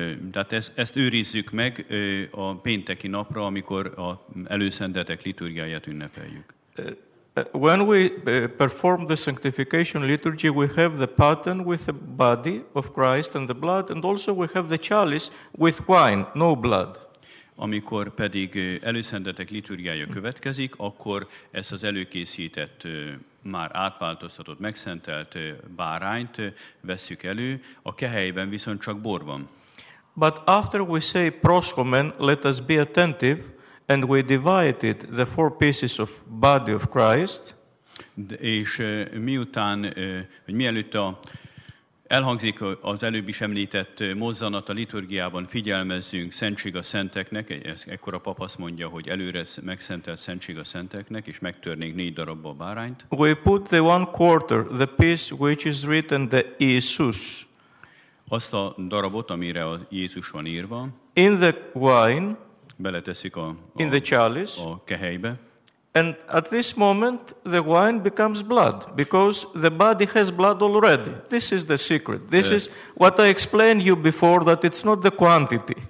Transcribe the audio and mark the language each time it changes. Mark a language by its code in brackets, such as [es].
[hu] tehát ezt őrizzük meg a pénteki napra, amikor a előszentetek liturgiáját ünnepeljük. [en] When we perform the sanctification liturgy, we have the paten with the body of Christ and the blood, and also we have the chalice with wine, no blood. [hu] Amikor pedig előszentetek liturgiája következik, akkor ezt az előkészített, már átváltoztatott, megszentelt bárányt vesszük elő, a kehelyben viszont csak bor van. [en] But after we say proskomen, let us be attentive, and we divided the 4 pieces of body of Christ. [hu] És miután, vagy mielőtt elhangzik az előbb is említett mozzanat a liturgiában, figyelmezzünk, szentség a szenteknek, ekkor a pap azt mondja, hogy előre megszentel szentség a szenteknek, és megtörnénk 4 darabba a bárányt. [en] We put the 1/4, the piece which is written the Jesus. [hu] Azt a darabot, amire a Jézus van írva. [en] In the wine. [hu] Beletesszük [en] in the chalice, [hu] a kehelybe, [en] And at this moment, the wine becomes blood, because the body has blood already. This is the secret. This is what I explained you before, that it's not the quantity.